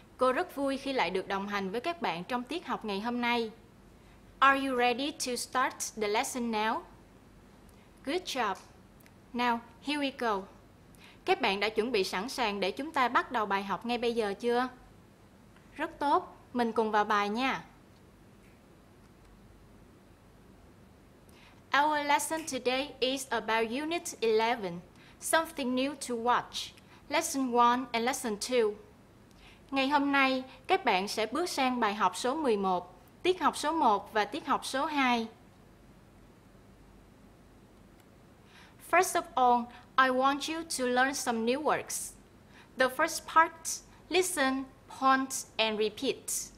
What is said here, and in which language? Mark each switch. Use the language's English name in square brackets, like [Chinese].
[Vietnamese] Cô rất vui khi lại được đồng hành với các bạn trong tiết học ngày hôm nay. [English] Are you ready to start the lesson now? Good job. Now, here we go. [Vietnamese] Các bạn đã chuẩn bị sẵn sàng để chúng ta bắt đầu bài học ngay bây giờ chưa? Rất tốt. Mình cùng vào bài nha. [English] Our lesson today is about Unit 11, Something New to Watch, Lesson 1 and Lesson 2. [Vietnamese] Ngày hôm nay, các bạn sẽ bước sang bài học số 11, tiết học số 1 và tiết học số 2. [English] First of all, I want you to learn some new words. The first part, listen, point and repeat.